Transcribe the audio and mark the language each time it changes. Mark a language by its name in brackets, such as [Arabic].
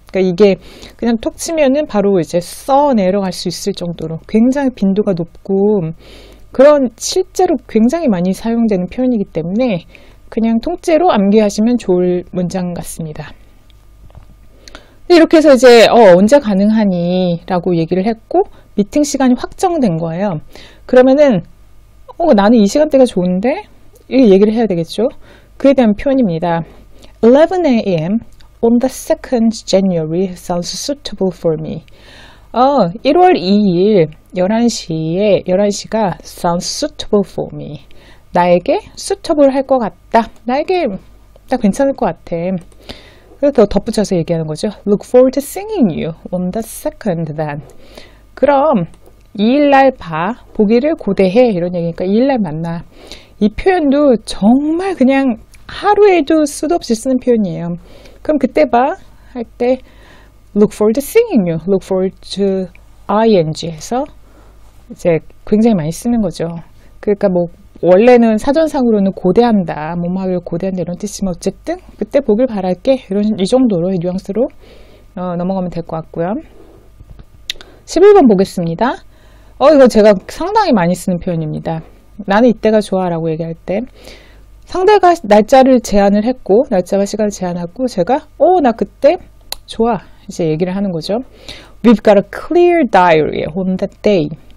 [Korean] 그러니까 이게 그냥 톡 치면은 바로 이제 써 내려갈 수 있을 정도로 굉장히 빈도가 높고 그런 실제로 굉장히 많이 사용되는 표현이기 때문에 그냥 통째로 암기하시면 좋을 문장 같습니다. 이렇게 해서 이제 언제 가능하니? 라고 얘기를 했고 미팅 시간이 확정된 거예요. 그러면은 나는 이 시간대가 좋은데? 이 얘기를 해야 되겠죠. 그에 대한 표현입니다. [English] 11 a.m. on the 2nd January sounds suitable for me. [Korean] 1월 2일 11시에 11시가 [English] sounds suitable for me. [Korean] 나에게 suitable 할것 같다. 나에게 딱 괜찮을 것 같아. 그래서 더 덧붙여서 얘기하는 거죠. [English] Look forward to seeing you on the second then. [Korean] 그럼 2일날 봐. 보기를 고대해. 이런 얘기니까 2일날 만나. 이 표현도 정말 그냥 하루에도 수도 없이 쓰는 표현이에요. 그럼 그때 봐. 할때 [English] Look forward to seeing you. Look forward to ing [Korean] 해서 이제 굉장히 많이 쓰는 거죠. 그러니까 뭐 원래는 사전상으로는 고대한다, 뭐뭐를 고대한다 이런 뜻이지만 어쨌든 그때 보길 바랄게 이런 이 정도로 이 뉘앙스로 넘어가면 될것 같고요. 11번 보겠습니다. 이거 제가 상당히 많이 쓰는 표현입니다. 나는 이때가 좋아라고 얘기할 때 상대가 날짜를 제안을 했고 날짜와 시간을 제안하고 제가 나 그때 좋아 이제 얘기를 하는 거죠. [English] We've got a clear diary on that day.